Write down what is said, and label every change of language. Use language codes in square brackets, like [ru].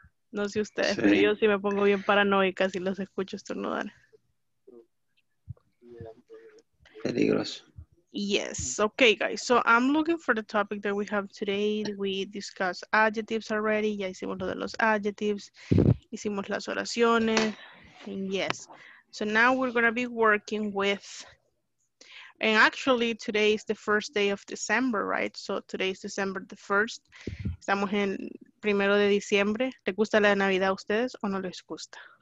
[es] No sé ustedes, sí. Pero yo sí me pongo bien paranoica si los escucho estornudar. Peligroso. [en] Yes, okay guys, so I'm looking for the topic that we have today. We discussed adjectives already, [es] ya hicimos lo de los adjectives, hicimos las oraciones, [en] and yes. So now we're going to be working with, and actually today is the first day of December, right? So today is December the 1st. [es] Estamos en primero de diciembre. ¿Te gusta la Navidad a ustedes o no les gusta?